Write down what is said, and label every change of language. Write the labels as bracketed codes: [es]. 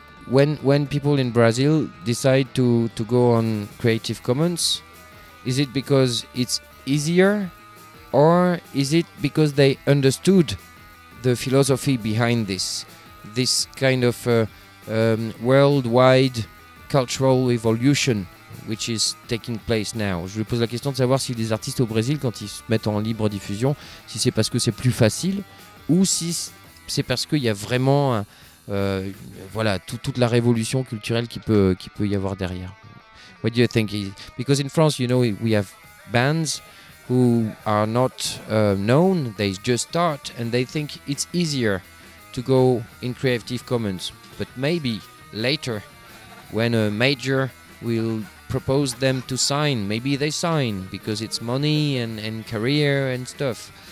[en] When people in Brazil decide to go on Creative Commons, is it because it's easier, or is it because they understood the philosophy behind this kind of worldwide cultural evolution which is taking place now? [fr] Je lui pose la question de savoir si les artistes au Brésil, quand ils se mettent en libre diffusion, si c'est parce que c'est plus facile ou si c'est parce qu'il y a vraiment toute la révolution culturelle qui peut y avoir derrière. [en] What do you think? Because in France, you know, we have bands who are not known, they just start, and they think it's easier to go in Creative Commons. But maybe later, when a major will propose them to sign, maybe they sign because it's money and career and stuff.